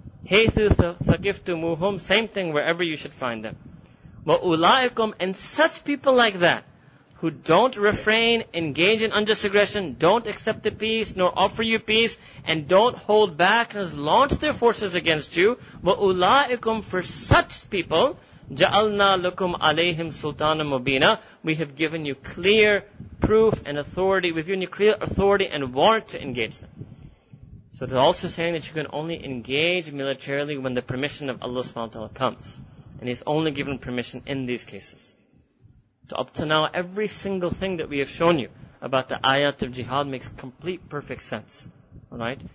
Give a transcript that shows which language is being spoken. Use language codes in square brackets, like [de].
[ar] حَيْثُ ثَقِفْتُمُوهُمْ. [en] Same thing wherever you should find them. [ar] وَأُولَٰئِكُمْ. [en] And such people like that, who don't refrain, engage in unjust aggression, don't accept the peace, nor offer you peace, and don't hold back, and launch their forces against you. [ar] وَأُولَٰئِكُمْ. [en] For such people, [ar] جَعَلْنَا لَكُمْ عَلَيْهِمْ سُلْطَانًا مُبِينًا. [en] We have given you clear proof and authority, we've given you clear authority and warrant to engage them. So they're also saying that you can only engage militarily when the permission of Allah subhanahu wa ta'ala comes. And He's only given permission in these cases. So up to now, every single thing that we have shown you about the ayat of jihad makes complete perfect sense. Alright?